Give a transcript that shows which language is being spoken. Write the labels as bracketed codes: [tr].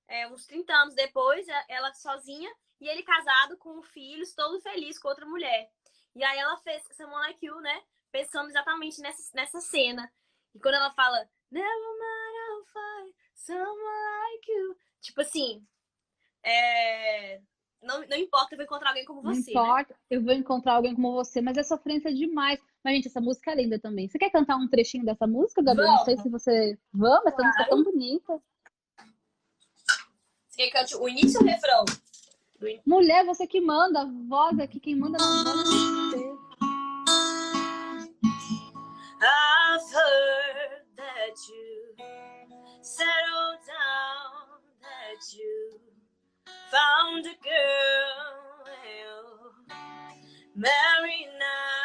[pt] Uns 30 anos depois, ela sozinha e ele casado com filhos, todo feliz com outra mulher. E aí ela fez Someone Like You, né? Pensando exatamente nessa cena. E quando ela fala, [en] never mind, I'll find someone like you. [pt] Tipo assim, não importa, eu vou encontrar alguém como você. Não importa, né? Eu vou encontrar alguém como você, mas é sofrência demais. Mas, gente, essa música é linda também. Você quer cantar um trechinho dessa música, Gabriel? Vamos. Não sei se você. Vamos, essa música é tão bonita. Você quer que cante o início ou o refrão? Mulher, você que manda. A voz aqui, quem manda não manda. [en] I've heard that you settled down, that you found a girl and marry now.